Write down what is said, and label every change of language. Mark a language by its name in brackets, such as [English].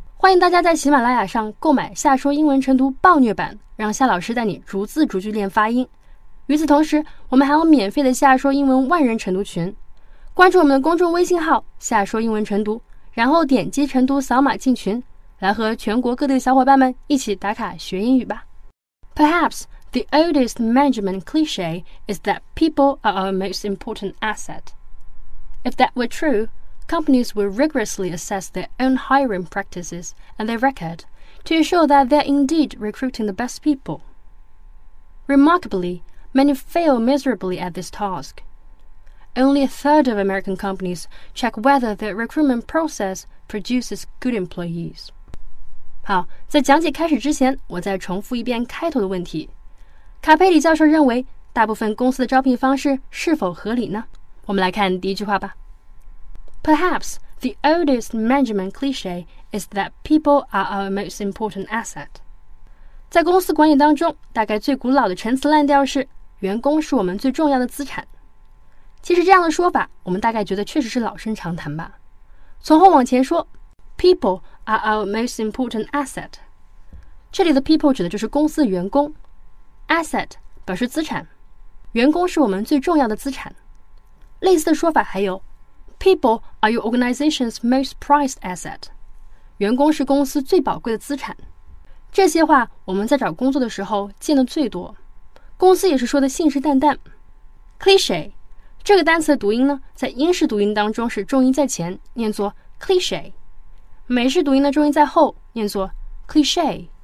[Chinese] 欢迎大家在喜马拉雅上购买夏说英文晨读暴虐版，让夏老师带你逐字逐句练发音。与此同时，我们还有免费的夏说英文万人晨读群，关注我们的公众微信号夏说英文晨读，然后点击晨读扫码进群，来和全国各地的小伙伴们一起打卡学英语吧。 [English] Perhaps the oldest management cliche is that people are our most important asset. If that were true, companies would rigorously assess their own hiring practices and their record to ensure that they're indeed recruiting the best people. RemarkablyMany fail miserably at this task. Only a third of American companies check whether their recruitment process produces good employees. [Chinese] 好，在讲解开始之前，我再重复一遍开头的问题。卡佩里教授认为，大部分公司的招聘方式是否合理呢？我们来看第一句话吧。 [English] Perhaps the oldest management cliche is that people are our most important asset. [Chinese] 在公司管理当中，大概最古老的陈词滥调是员工是我们最重要的资产。其实这样的说法，我们大概觉得确实是老生常谈吧。从后往前说 [English] ，people are our most important asset。 [Chinese] 这里的 people 指的就是公司的员工 ，asset 表示资产，员工是我们最重要的资产。类似的说法还有 [English] ，people are your organization's most prized asset。 [Chinese] 员工是公司最宝贵的资产。这些话我们在找工作的时候见的最多。公司也是说的信誓旦旦。 cliche 这个单词的读音呢，在英式读音当中是重音在前，念作 cliche， 美式读音的重音在后，念作 cliche。